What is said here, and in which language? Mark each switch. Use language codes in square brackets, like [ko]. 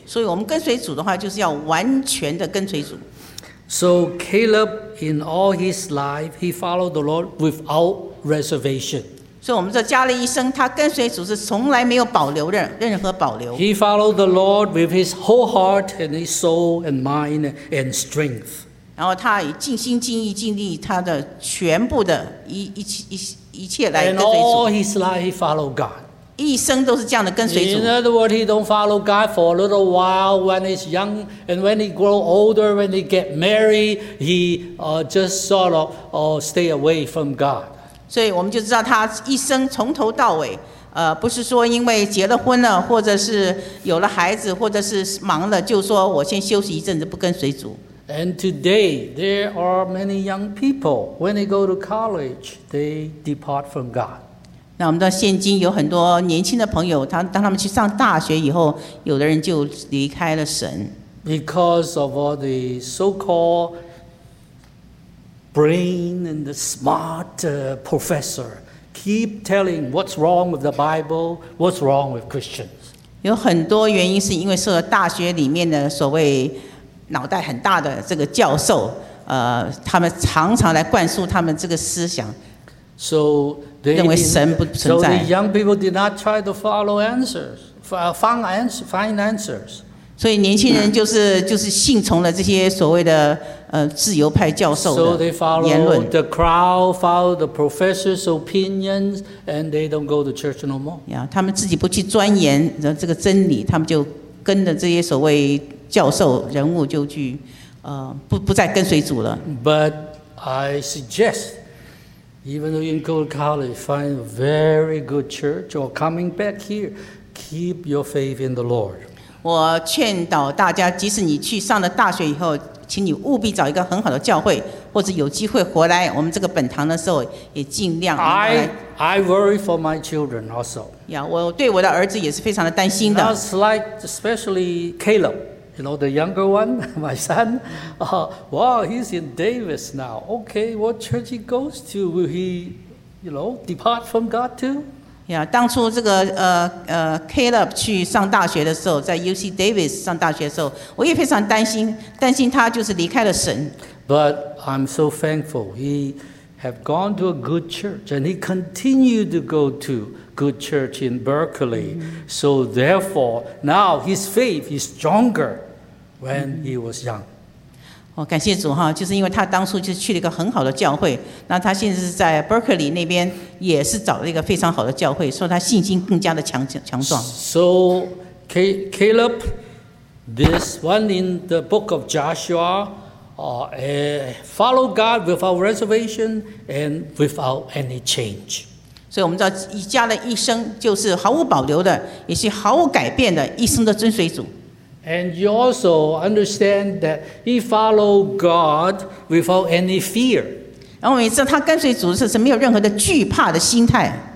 [zh] 所以我们跟随主的话就是要完全的跟随主。 [en] So Caleb, in all his life, he followed the Lord without reservation. So we say, [zh] 加勒一生他跟随主是从来没有保留的，任何保留。 [en] He followed the Lord with his whole heart and his soul and mind and strength. [zh] 然后他以尽心尽意尽力他的全部的一切来跟随主。 [en] And all his life, he followed God. [zh] 一生都是这样的跟随主。 [en] In other words, he don't follow God for a little while when he's young, and when he grow older, when he get married, he just sort of stay away from God. [zh] 所以我们就知道他一生从头到尾，不是说因为结了婚了，或者是有了孩子，或者是忙了，就说我先休息一阵子，不跟随主。 [en] And today there are many young people when they go to college, they depart from God. [zh] 那我们到现今有很多年轻的朋友，当他们去上大学以后，有的人就离开了神。 [en] Because of all the so-called brain and the smart professor keep telling what's wrong with the Bible, what's wrong with Christians. [zh] 有很多原因是因为受了大学里面的所谓脑袋很大的这个教授，他们常常来灌输他们这个思想。 [en] So they didn't, [zh] 认为神不存在。 [en] So the young people did not try to follow answers, find answers. [zh] 所以年轻人就是信从了这些所谓的自由派教授的言论。 [en] So they follow the crowd, follow the professor's opinions, and they don't go to church no more. [zh] Yeah, 他们自己不去钻研这个真理，他们就跟着这些所谓教授人物就去不再跟随主了。 [en] But I suggest. Even though you go to college, find a very good church, or coming back here, keep your faith in the Lord. [zh] 我劝导大家，即使你去上了大学以后，请你务必找一个很好的教会，或者有机会回来我们这个本堂的时候，也尽量。 [en] I worry for my children also. [zh] Yeah, 我对我的儿子也是非常的担心的。 [en] Just like especially Caleb. You know, the younger one, my son, he's in Davis now. Okay, what church he goes to, will he, you know, depart from God too? [zh] Yeah, 当初这个Caleb 去上大学的时候，在 UC Davis 上大学的时候，我也非常担心他就是离开了神。 [en] But I'm so thankful he have gone to a good church, and he continued to go to good church in Berkeley. Mm-hmm. So therefore, now his faith is stronger. When he was young, [zh] 我感谢主哈，就是因为他当初就去了一个很好的教会，那他现在是在 Berkeley 那边也是找了一个非常好的教会，所以他信心更加的强壮。 [en] So Caleb, this one in the book of Joshua, follow God without reservation and without any change. [zh] 所以我们知道以加勒一生就是毫无保留的，也是毫无改变的，一生的遵随主。 [en] And you also understand that he followed God without any fear. [zh] 然后我们也知道他跟随主是没有任何的惧怕的心态。